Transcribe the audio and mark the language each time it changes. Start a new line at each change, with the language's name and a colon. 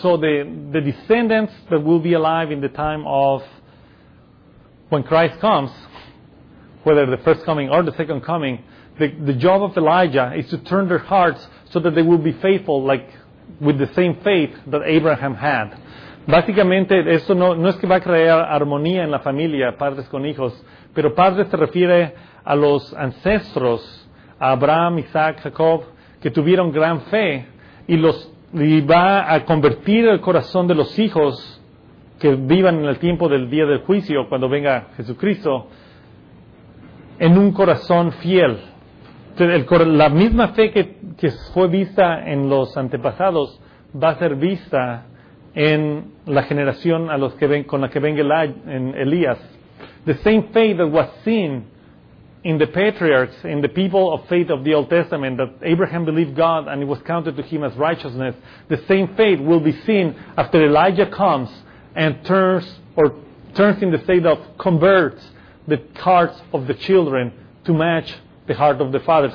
English: So the descendants that will be alive in the time of when Christ comes, whether the first coming or the second coming, the job of Elijah is to turn their hearts so that they will be faithful, like with the same faith that Abraham had.
Spanish: Básicamente, esto no es que va a crear armonía en la familia, padres con hijos, pero padres se refiere a los ancestros, a Abraham, Isaac, Jacob, que tuvieron gran fe, y va a convertir el corazón de los hijos que vivan en el tiempo del día del juicio, cuando venga Jesucristo, en un corazón fiel. La misma fe que fue vista en los antepasados va a ser vista en la generación a los que ven, con la que venga en Elías.
English: The same faith that was seen in the patriarchs, in the people of faith of the Old Testament, that Abraham believed God and it was counted to him as righteousness, the same faith will be seen after Elijah comes and turns in the state of converts the hearts of the children to match the heart of the fathers.